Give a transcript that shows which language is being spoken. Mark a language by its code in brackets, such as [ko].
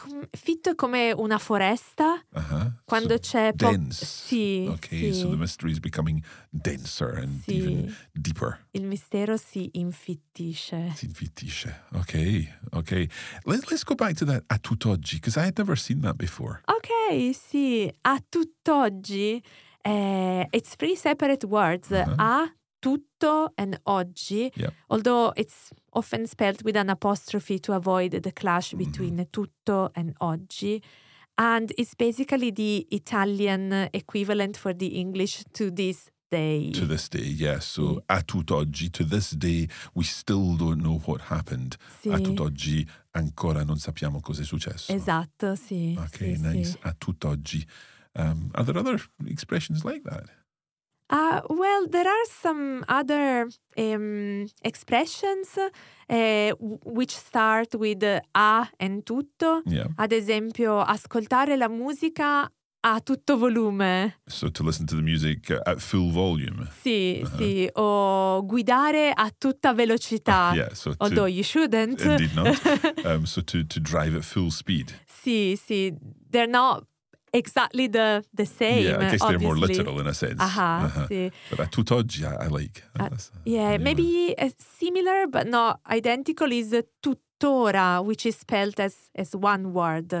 [it] Fitto è come una foresta. Quando c'è [en] dense. [it] Sì. [en] Okay, [it] sì. [en] So the mystery is becoming denser and even deeper. [it] Il mistero si infittisce. Si infittisce. Okay. [en] Let's go back to that [it] a tutt'oggi, [en] because I had never seen that before. [it] Okay, sì. A tutt'oggi. [en] It's three separate words. A tutto and oggi. Yep. Although it's often spelled with an apostrophe to avoid the clash between tutto and oggi. And it's basically the Italian equivalent for the English to this day. To this day, yes. So a tutt'oggi, to this day, we still don't know what happened. [it] Sì. A tutt'oggi, ancora non sappiamo cosa è successo. Esatto, sì. [en] Okay, [it] sì, [en] nice. Sì. A tutt'oggi. Are there other expressions like that? Well, there are some other expressions which start with a and tutto. Yeah. [it] Ad esempio, ascoltare la musica a tutto volume. [en] So to listen to the music at full volume. [it] Sì, sì. O guidare a tutta velocità. [en] Although you shouldn't. Indeed not. so to drive at full speed. [it] Sì, sì. [en] They're not exactly the same. Yeah, I guess obviously. They're more literal in a sense. Uh-huh. But a tutt'oggi, I like. Maybe similar but not identical is tuttora, which is spelled as one word.